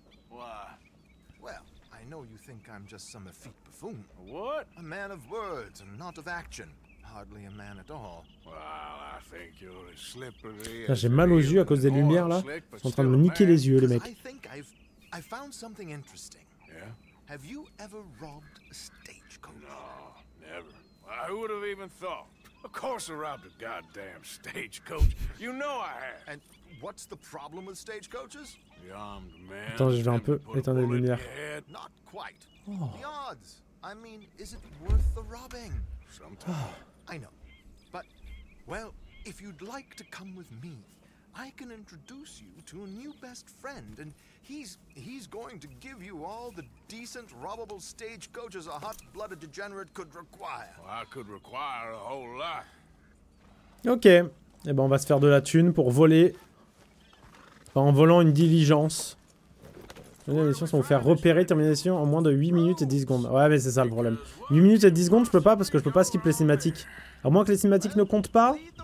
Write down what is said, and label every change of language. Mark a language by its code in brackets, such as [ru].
[en] Well, I know you think I'm just some effete buffoon. What? A man of words and not of action. Hardly a man at all. Well, I think you're as slippery as... [fr] Putain, j'ai mal aux yeux à cause des lumières, là. Ils sont en train de me niquer les yeux, les mecs. [en] I think I've found something interesting. Yeah? Have you ever robbed a stagecoach? No, never. I would have even thought. Of course I robbed a goddamn stagecoach. You know I have. And what's the problem with stagecoaches? The armed man. [fr] Attends, je vais un peu éteindre les lumières. [en] Not quite. The odds. I mean, is it worth the robbing? Sometimes. I know. But, well, if you'd like to come with me, I can introduce you to a new best friend, and he's going to give you all the decent, robbable stagecoaches a hot-blooded degenerate could require. Well, I could require a whole lot. [fr] Ok, eh ben on va se faire de la thune pour voler en volant une diligence. Les missions sont vous faire repérer termination en moins de 8 minutes et 10 secondes. Ouais, mais c'est ça le problème. 8 minutes et 10 secondes, je peux pas parce que je peux pas skip les cinématiques. À moins que les cinématiques ne comptent pas.